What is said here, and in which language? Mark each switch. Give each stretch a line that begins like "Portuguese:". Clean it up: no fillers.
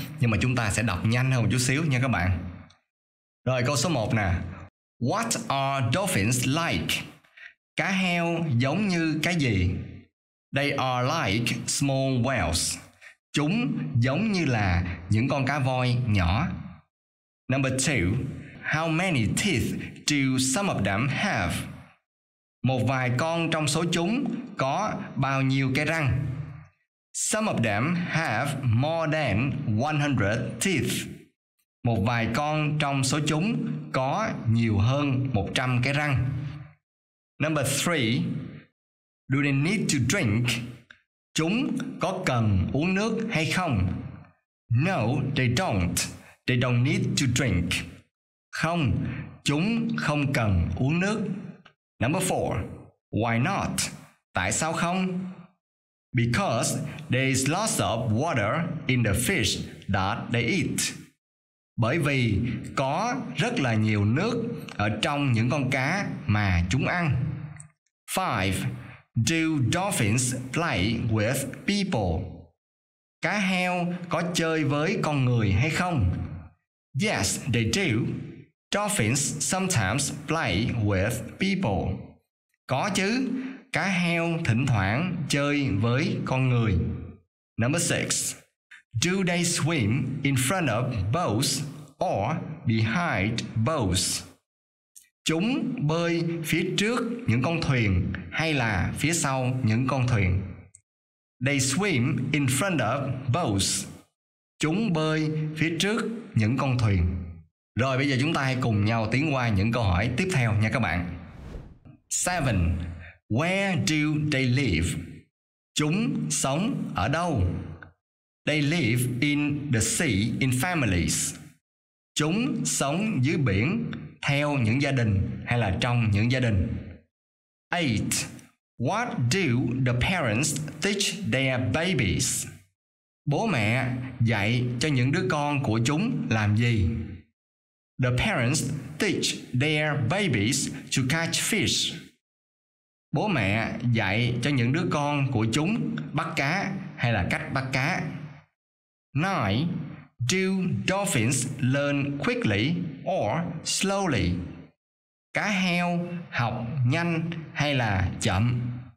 Vietnamese: Nhưng mà chúng ta sẽ đọc nhanh hơn một chút xíu nha các bạn. Rồi, câu số 1 nè.
English: What are dolphins like?
Vietnamese: Cá heo giống như cái gì?
English: They are like small whales.
Vietnamese: Chúng giống như là những con cá voi nhỏ.
English: Number 2. How many teeth do some of them have?
Vietnamese: Một vài con trong số chúng có bao nhiêu cái răng?
English: Some of them have more than 100 teeth.
Vietnamese: Một vài con trong số chúng có nhiều hơn 100 cái răng.
English: Number 3. Do they need to drink?
Vietnamese: Chúng có cần uống nước hay không?
English: No, they don't. They don't need to drink.
Vietnamese: Không, chúng không cần uống nước.
English: Number 4. Why not?
Vietnamese: Tại sao không?
English: Because there is lots of water in the fish that they eat.
Vietnamese: Bởi vì có rất là nhiều nước ở trong những con cá mà chúng ăn. 5.
English: Do dolphins play with people?
Vietnamese: Cá heo có chơi với con người hay không?
English: Yes, they do. Dolphins sometimes play with people.
Vietnamese: Có chứ, cá heo thỉnh thoảng chơi với con người.
English: Number 6. Do they swim in front of boats or behind boats?
Vietnamese: Chúng bơi phía trước những con thuyền hay là phía sau những con thuyền?
English: They swim in front of boats.
Vietnamese: Chúng bơi phía trước những con thuyền. Rồi bây giờ chúng ta hãy cùng nhau tiến qua những câu hỏi tiếp theo nha các bạn.
English: 7. Where do they live?
Vietnamese: Chúng sống ở đâu?
English: They live in the sea in families.
Vietnamese: Chúng sống dưới biển theo những gia đình hay là trong những gia đình. 8.
English: What do the parents teach their babies?
Vietnamese: Bố mẹ dạy cho những đứa con của chúng làm gì?
English: The parents teach their babies to catch fish.
Vietnamese: Bố mẹ dạy cho những đứa con của chúng bắt cá hay là cách bắt cá. 9.
English: Do dolphins learn quickly or slowly?
Vietnamese: Cá heo học nhanh hay là chậm?